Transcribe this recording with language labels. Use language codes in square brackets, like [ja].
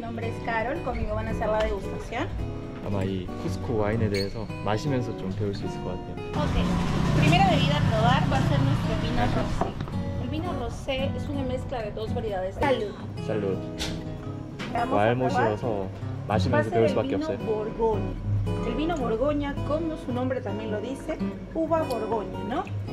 [es] Bienvenidos. Mi nombre es Carol. Conmigo van a hacer la degustación. [ko] 아마 이 쿠스코 와인에 대해서 마시면서 좀 배울 수 있을 것 같아요. [en] Okay. [es] Primera bebida a probar va a ser nuestro vino rosé. El vino rosé es una mezcla de dos variedades. Salud. Salud. [ko] 말못이어서 마시면서 배울 수밖에 없어요. [es] El vino Borgoña, como su nombre también lo dice, uva Borgoña, ¿no?